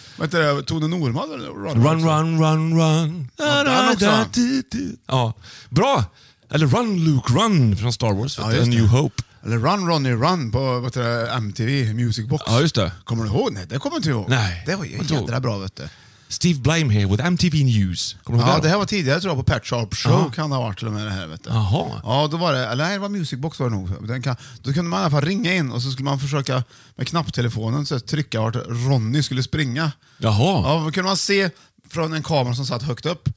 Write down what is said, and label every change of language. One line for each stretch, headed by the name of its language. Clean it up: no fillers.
Swedish: Vet du, Tone Norman.
English: Run, run, run, run.
Swedish: Ja, den också. Ja, bra. Eller Run Luke Run från Star Wars, ja, A New Hope. Eller Run Ronnie Run på vet du, MTV Music Box. Ja, just det. Kommer du ihåg? Nej, det kommer inte ihåg. Nej. Det var ju jättebra bra, vet du.
English: Steve Blame here with MTV News.
Swedish: Kommer ja, det här var tidigare tror jag på Pat Sharp Show. Aha. Kan det ha varit till och med det här, vet du. Aha. Ja, då var det. Eller nej, det var Music Box var det nog. Den kan, då kunde man i alla fall ringa in och så skulle man försöka med knapptelefonen så att trycka vart Ronnie skulle springa. Jaha. Ja, då kunde man se... Från en kamera som satt högt upp.